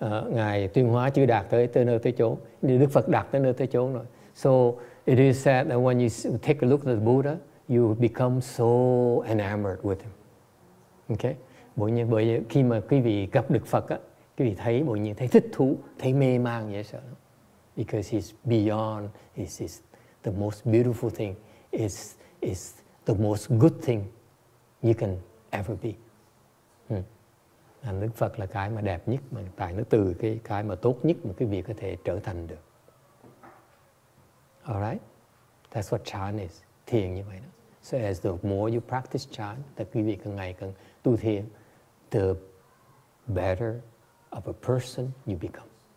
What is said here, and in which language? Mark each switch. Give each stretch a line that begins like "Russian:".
Vietnamese: Ngài Tuyên Hóa chưa đạt tới nơi tới chốn. Đức Phật đạt tới nơi tới chốn rồi.
English: So it is said that when you take a look at the Buddha, you become so enamored with him. Okay?
Vietnamese: Bởi vì khi mà quý vị gặp Đức Phật á, quý vị thấy bởi vì thấy thích thú, thấy mê mang dễ sợ.
English: Because he's beyond, he's the most beautiful thing, is the most good thing you can ever be.
Vietnamese: Đức Phật là cái mà đẹp nhất, mà tại nó từ cái mà tốt nhất mà cái việc có thể trở thành được.
English: Alright? That's what chan is,
Vietnamese: thiền như vậy đó.
English: So as the more you practice chan, the
Vietnamese: quý vị càng ngày càng tu thiền,
English: the better of a person you become.